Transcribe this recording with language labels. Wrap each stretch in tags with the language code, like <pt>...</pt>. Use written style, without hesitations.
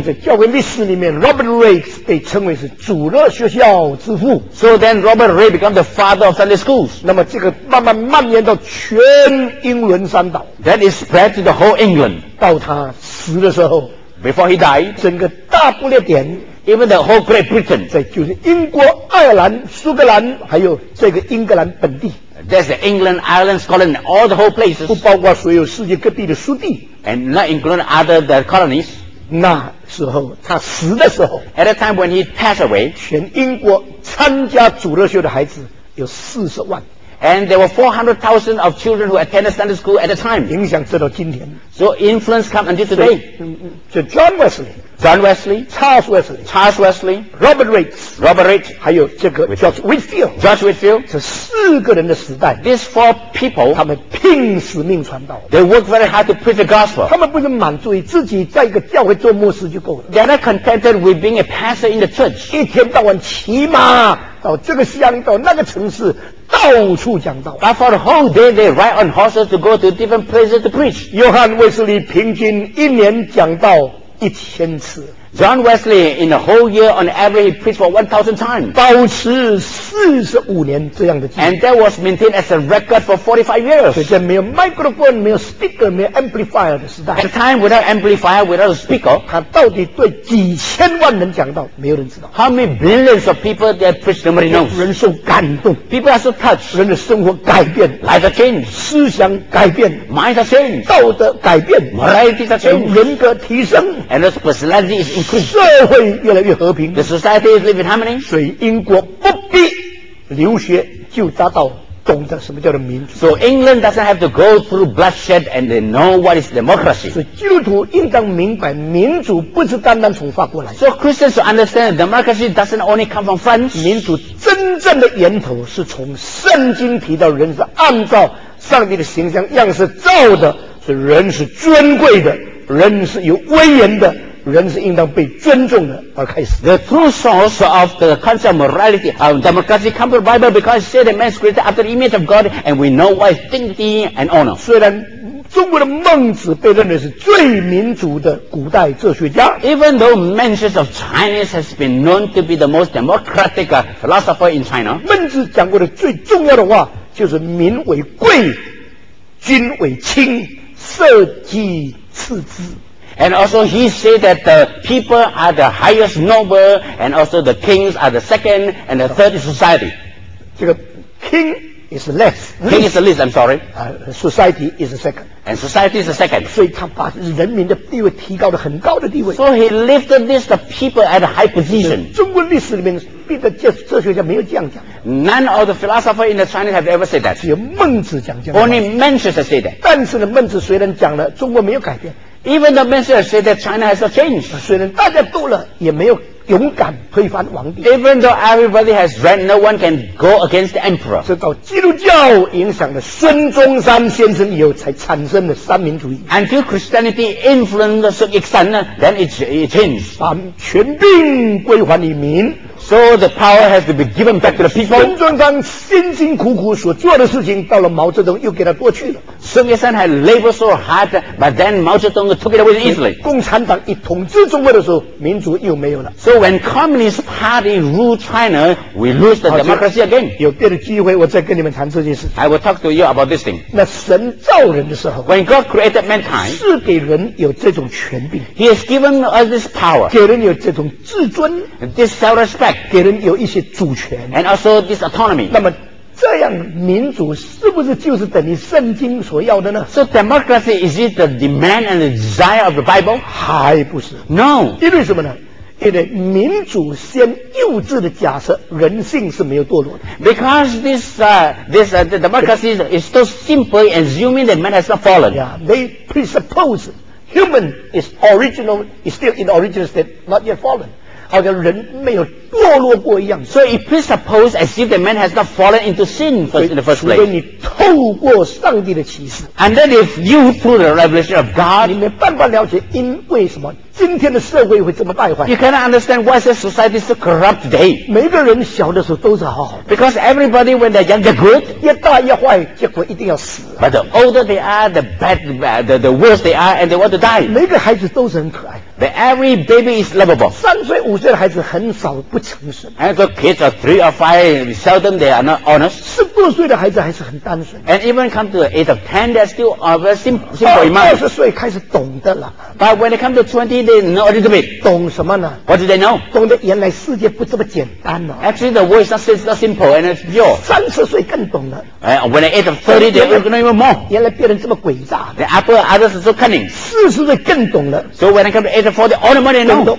<zh>在教会历史里面 ，Robert Ray 被称为是主日学校之父。</zh> <en>So then Robert Ray became the father of Sunday schools。</en> <zh>那么这个慢慢蔓延到全英伦三岛</zh> <en>，that is spread to the whole England。</en> <zh>到他死的时候</zh> <en>，before he died，</en> <zh>整个大不列颠。</zh> <en>Even the whole Great Britain,</en> <zh>在就是英国、爱尔兰、苏格兰，还有这个英格兰本地。</zh> <en>That's England, Ireland, Scotland, all the whole places.</en> <zh>不包括所有世界各地的属地。</zh> <en>And not including other the colonies.</en> <zh>那时候他死的时候</zh> <en>，At the time when he passed away,</en> <zh>全英国参加主日学的孩子有400,000。</zh> <en>And there were 400,000 of children who attended Sunday school at the time.</en> <zh>影响直到今天。</zh> <en>So influence come until today. So John Wesley, John Wesley, Charles Wesley, Charles Wesley, Robert Reitz, Robert Reitz,</en> <zh>还有这个 George Whitfield,</zh> <en>George Whitfield.</en> <zh>这四个人的时代。</zh> <en>These four people,</en> <zh>他们拼死命传道。</zh> <en>They work very hard to preach the gospel.</en> <zh>他们不是满足于自己在一个教会做牧师就够了。</zh> <en>They're not contented with being a pastor in the church.</en> <zh>一天到晚骑马到这个乡到那个城市。到处讲道。</zh> <en>But for the whole day, they ride on horses to go to different places to preach.</en> <zh>约翰·威斯利平均一年讲道1000次。</zh> <en>John Wesley, in the whole year, on average, preached for 1,000 times.</en> <zh>保持45年这样的记录。</zh> <en>And that was maintained as a record for 45 years.</en> <zh>所以在没有 microphone, 没有 speaker, 没有 amplifier 的时代。</zh> <en>At the time, without amplifier, without a speaker,</en> <zh>他到底对几千万人讲道，没有人知道。</zh> <en>How many billions of people that preach, nobody knows.</en> <zh>人受感动。</zh> <en>People are so touched.</en> <zh>人的生活改变。</zh> <en>Life has changed.</en> <zh>思想改变。</zh> <en>Mind has changed.</en> <zh>道德改变。</zh> <en>Morality has changed.</en> <zh>人格提升。</zh> <en>And the personality is increased.</en> <zh>社会越来越和平</zh> <en>The society is living in harmony.</en> <zh>所以英国不必留学就达到懂得什么叫做民主</zh> <en>So England doesn't have to go through bloodshed and they know what is democracy.</en> <zh>所以基督徒应当明白民主不是单单从法国来</zh> <en>So Christians should understand democracy doesn't only come from France.</en> <zh>民主真正的源头是从圣经提到人是按照上帝的形象样式造的所以人是尊贵的人是有威严的人是应当被尊重的而开始</zh> <en>The true source of the concept of morality of democracy comes from the Bible because it says that man is created after the image of God and we know what is dignity and honor</en> <zh>虽然中国的孟子被认为是最民主的古代哲学家</zh> <en>Even though Mencius of Chinese has been known to be the most democratic philosopher in China</en> <zh>孟子讲过的最重要的话就是民为贵君为轻社稷次之</zh> <en>And also he said that the people are the highest noble and also the kings are the second and the third society.</en> <zh>这个</zh> <en>king is less. King is the least, I'm sorry. Society is the second. And society is the second.</en> <zh>所以他把人民的地位提高了很高的地位。</zh> <en>So he lifted this the people at a high position.</en> <zh>中国历史里面别的哲学家没有这样讲。</zh> <en>None of the philosophers in the Chinese have ever said that.</en> <zh>只有孟子讲这样。</zh> <en>Only Mencius said that.</en> <zh>但是呢孟子虽然讲了中国没有改变。</zh> <en>Even the Mencius said that China has not changed.</en> <zh>虽然大家都了也没有勇敢推翻皇帝。</zh> <en>Even though everybody has read, no one can go against the emperor.</en> <zh>直到基督教影响了孙中山先生以后，才产生了三民主义。</zh> <en>Until Christianity influenced the Sun Yat-sen, then it changed.</en> <zh>把权柄归还于民。</zh> <en>So the power has to be given back to the people.</en> <zh>孙中山辛辛苦苦所做的事情，到了毛泽东又给他过去了。</zh> <en>Sun Yat-sen had labored so hard, but then Mao Zedong took it away easily.</en> <zh>共产党一统治中国的时候，民主又没有了。</zh> <en>So when Communist Party rule China, we lose the democracy again.</en> <zh>有别的机会，我再跟你们谈这件事。</zh> <en>I will talk to you about this thing.</en> <zh>那神造人的时候</zh> <en>，When God created mankind,</en> <zh>是给人有这种权柄。</zh> <en>He has given us this power.</en> <zh>给人有这种自尊</zh> <en>，this self-respect.</en> <zh>给人有一些主权</zh> <en>，and also this autonomy.</en> <zh>那么这样民主是不是就是等于圣经所要的呢</zh> <en>？So democracy is it the demand and the desire of the Bible?</en> <zh>还不是。</zh> <en>No.</en> <zh>因为什么呢？因为民主先幼稚的假设，人性是没有堕落的。</zh> <en>Because this democracy is so simple, assuming that man has not fallen. Yeah, they presuppose human is original, is still in the original state, not yet fallen.</en> <zh>好像人没有堕落过一样。</zh> <en>So it presupposes as if the man has not fallen into sin in the first place.</en> <zh>除非你透过上帝的启示。</zh> <en>And then if you through the revelation of God,</en> <zh>你没办法了解因为什么今天的社会会这么败坏。</zh> <en>You cannot understand why this society is so corrupt today.</en> <zh>每个人小的时候都是好好的。</zh> <en>Because everybody when they're young they're good.</en> <zh>越大越坏，结果一定要死。</zh> <en>But the older they are, the bad, the worse they are, and they want to die.</en> <zh>每个孩子都是很可爱。</zh> <en>But every baby is lovable.</en> <zh>三岁五岁的孩子很少不诚实。</zh> <en>And the kids are 3 or 5, seldom they are not honest.</en> <zh>十多岁的孩子还是很单纯。</zh> <en>And even come to the age of 10, they're still very simple in mind.</en> <zh>20岁开始懂得了。</zh> <en>But when they come to 20, they know a little bit.</en> <zh>懂什么呢？</zh> <en>What do they know?</en> <zh>懂得原来世界不这么简单了。</zh> <en>Actually, the world is not simple and it's pure.</en> <zh>30岁更懂了。</zh> <en>And when the age of 30, they will know even more.</en> <zh>原来别人这么诡诈。</zh> <en>The upper others are so cunning.</en> <zh>40岁更懂了。</zh> <en>So when they come to age for the all the money now.</en>